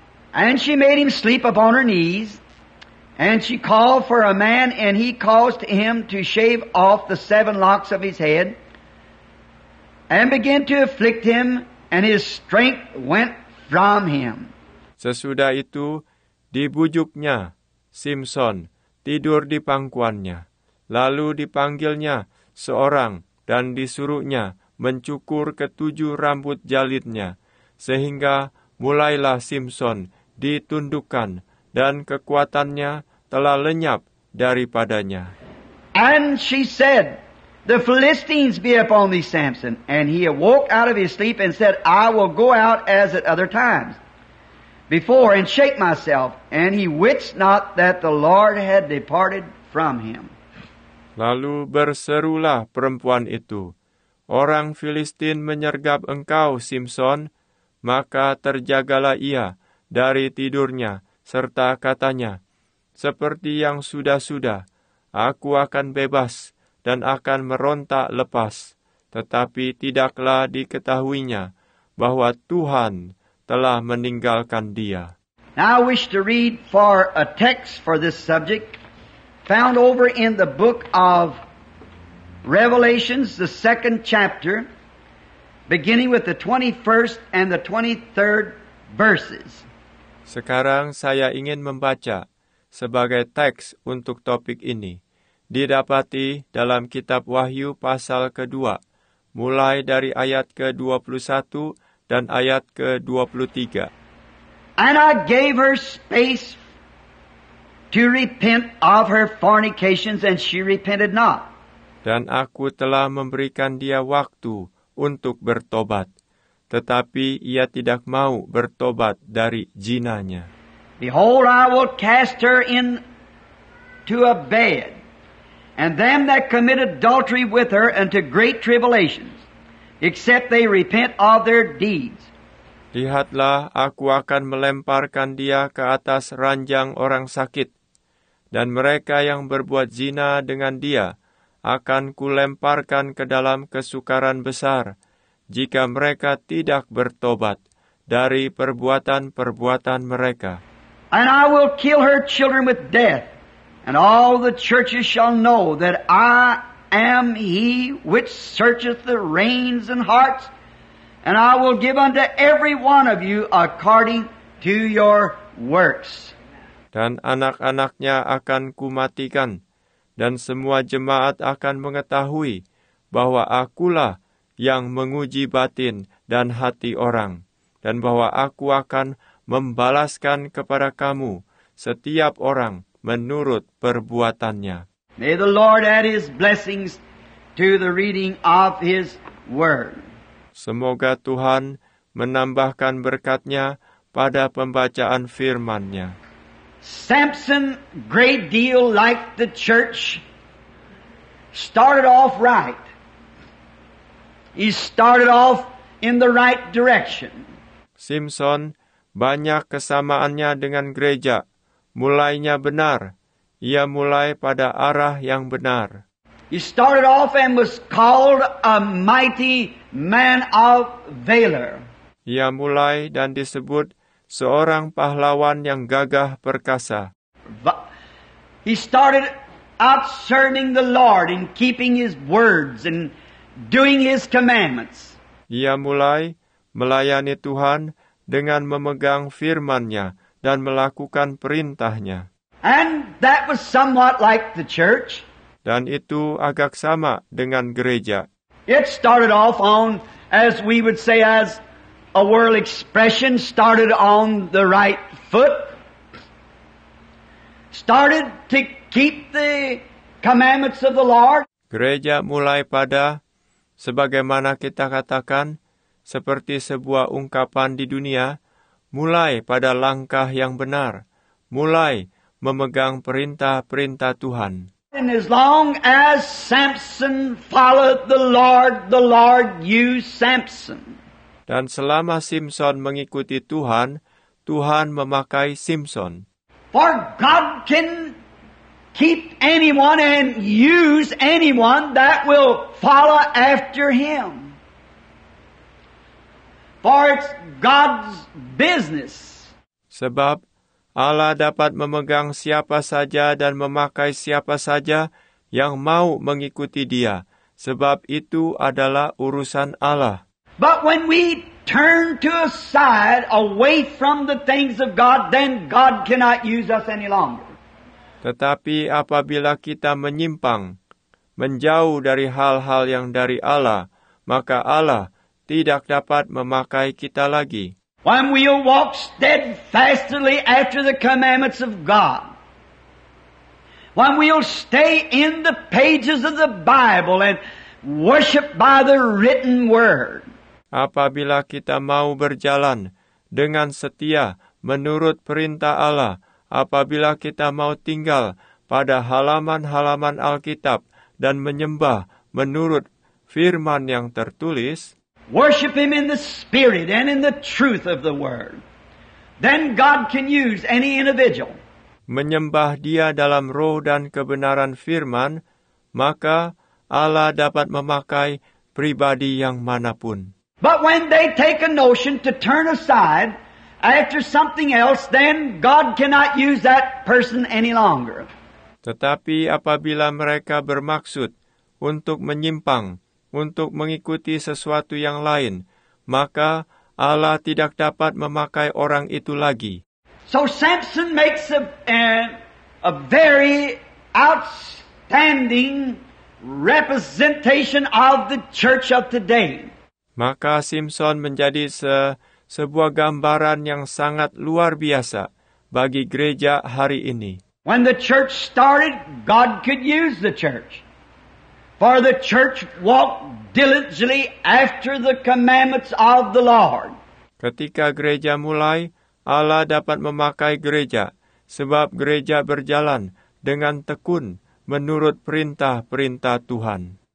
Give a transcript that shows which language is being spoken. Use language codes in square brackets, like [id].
[en] And she made him sleep upon her knees, and she called for a man, and he caused him to shave off the 7 locks of his head, and began to afflict him, and his strength went from him. [id] Sesudah itu, dibujuknya Simpson tidur di pangkuannya. Lalu dipanggilnya seorang dan disuruhnya mencukur 7 rambut jalitnya, sehingga mulailah Simpson ditundukkan dan kekuatannya telah lenyap daripadanya. [en] And she said, "The Philistines be upon thee, Samson." And he awoke out of his sleep and said, "I will go out as at other times before and shake myself." And he wist not that the Lord had departed from him. [id] Lalu berserulah perempuan itu, "Orang Filistin menyergap engkau, Simpson." Maka terjagalah ia dari tidurnya, serta katanya, "Seperti yang sudah-sudah, aku akan bebas dan akan merontak lepas." Tetapi tidaklah diketahuinya bahwa Tuhan telah meninggalkan dia. [en] Now I wish to read for a text for this subject, found over in the book of Revelations, the 2nd chapter, beginning with the 21st and the 23rd verses. [id] Sekarang saya ingin membaca sebagai teks untuk topik ini. Didapati dalam kitab Wahyu pasal 2, mulai dari ayat 21 dan ayat 23. [en] And I gave her space to repent of her fornications, and she repented not. [id] Dan aku telah memberikan dia waktu untuk bertobat, tetapi ia tidak mau bertobat dari zinanya. [en] Behold, I will cast her into a bed, and them that commit adultery with her unto great tribulations, except they repent of their deeds. [id] Lihatlah, aku akan melemparkan dia ke atas ranjang orang sakit, dan mereka yang berbuat zina dengan dia akan kulemparkan ke dalam kesukaran besar jika mereka tidak bertobat dari perbuatan-perbuatan mereka. [en] And I will kill her children with death, and all the churches shall know that I am he which searcheth the reins and hearts, and I will give unto every one of you according to your works. [id] Dan anak-anaknya akan kumatikan, dan semua jemaat akan mengetahui bahwa akulah yang menguji batin dan hati orang, dan bahwa aku akan membalaskan kepada kamu setiap orang menurut perbuatannya. [en] May the Lord add his blessings to the reading of his word. [id] Semoga Tuhan menambahkan berkatnya pada pembacaan firman-Nya. [en] Samson, great deal like the church, started off right. He started off in the right direction. [id] Simpson, banyak kesamaannya dengan gereja. Mulainya benar. Ia mulai pada arah yang benar. [en] He started off and was called a mighty man of valor. [id] Ia mulai dan disebut seorang pahlawan yang gagah perkasa. [en] He started out serving the Lord and keeping his words and doing his commandments. [id] Ia mulai melayani Tuhan dengan memegang firman-Nya dan melakukan perintah-Nya. [en] And that was somewhat like the church. [id] Dan itu agak sama dengan gereja. [en] It started off on, as we would say, as a world expression, started on the right foot, started to keep the commandments of the Lord. [id] Gereja mulai pada, sebagaimana kita katakan, seperti sebuah ungkapan di dunia, mulai pada langkah yang benar, mulai memegang perintah-perintah Tuhan. [en] And as long as Samson followed the Lord used Samson. [id] Dan selama Samson mengikuti Tuhan, Tuhan memakai Samson. [en] For God can keep anyone and use anyone that will follow after him. For it's God's business. [id] Sebab Allah dapat memegang siapa saja dan memakai siapa saja yang mau mengikuti dia. Sebab itu adalah urusan Allah. [en] But when we turn to a side away from the things of God, then God cannot use us any longer. [id] Tetapi apabila kita menyimpang, menjauh dari hal-hal yang dari Allah, maka Allah tidak dapat memakai kita lagi. [en] When we walk steadfastly after the commandments of God, when we'll stay in the pages of the Bible and worship by the written word. [id] Apabila kita mau berjalan dengan setia menurut perintah Allah, apabila kita mau tinggal pada halaman-halaman Alkitab dan menyembah menurut firman yang tertulis, [en] worship him in the spirit and in the truth of the word. Then God can use any individual. [id] Menyembah dia dalam roh dan kebenaran firman, maka Allah dapat memakai pribadi yang manapun. [en] But when they take a notion to turn aside after something else, then God cannot use that person any longer. [id] Tetapi apabila mereka bermaksud untuk menyimpang, untuk mengikuti sesuatu yang lain, maka Allah tidak dapat memakai orang itu lagi. [en] So Samson makes a very outstanding representation of the church of today. [id] Maka Samson menjadi sebuah gambaran yang sangat luar biasa bagi gereja hari ini. [en] When the church started, God could use the church. For the church walked diligently after the commandments of the Lord. [id] Ketika gereja mulai, Allah dapat memakai gereja, sebab gereja berjalan dengan tekun menurut perintah-perintah Tuhan.